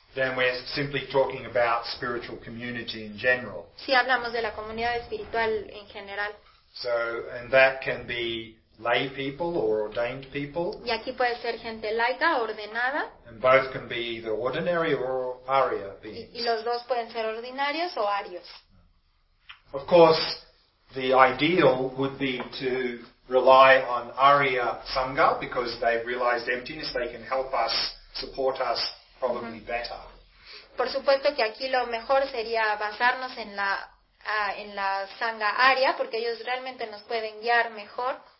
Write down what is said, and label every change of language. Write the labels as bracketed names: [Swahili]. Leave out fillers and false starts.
[English] then we're simply talking about spiritual community in general. [Spanish] Sí, hablamos de la comunidad espiritual en general. [English] So, and that can be lay people or ordained people. [Spanish] Y aquí puede ser gente laica, ordenada. [English] And both can be either ordinary or aria beings. [Spanish] Y los dos pueden ser ordinarios o arios. [English] Of course, the ideal would be to rely on Arya Sangha because they've realized emptiness, they can help us, support us probably better. [Spanish] Por supuesto que aquí lo mejor sería basarnos en la Sangha Arya porque ellos realmente nos pueden guiar mejor.